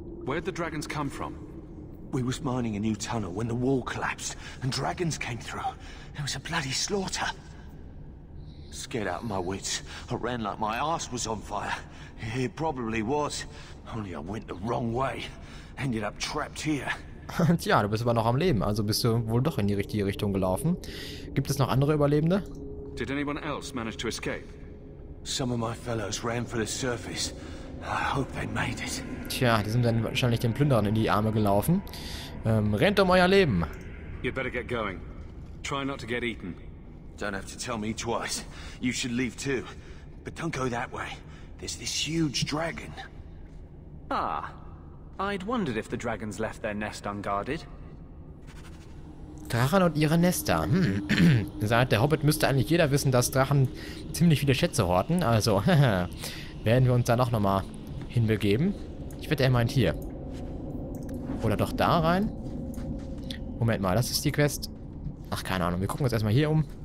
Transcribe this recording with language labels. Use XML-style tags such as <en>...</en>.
<en>Where'd the dragons come from? We was mining a new tunnel when the wall collapsed and dragons came through. It was a bloody slaughter. Scared out of my wits. I ran like my ass was on fire. It probably was. Only I went the wrong way. Ended up trapped here.</en> <de>Tja, du bist aber noch am Leben, also bist du wohl doch in die richtige Richtung gelaufen. Gibt es noch andere Überlebende?</de> <en>Did anyone else manage to escape? Some of my fellows ran for the surface. I hope they made it.</en> <de>Tja, die sind dann wahrscheinlich den Plünderern in die Arme gelaufen. Rennt um euer Leben.</de> <en>You better get going. Try not to get eaten. Don't have to tell me twice. You should leave too. But don't go that way. There's this huge dragon. Ah. I'd wondered if the dragons left their nest unguarded.</en> <de>Drachen und ihre Nester. Seit der Hobbit müsste eigentlich jeder wissen, dass Drachen ziemlich viele Schätze horten. Also, werden wir uns da noch mal hinbegeben. Ich wette, er meint hier. Oder doch da rein? Moment mal, das ist die Quest. Ach, keine Ahnung. Wir gucken uns erstmal hier um.</de>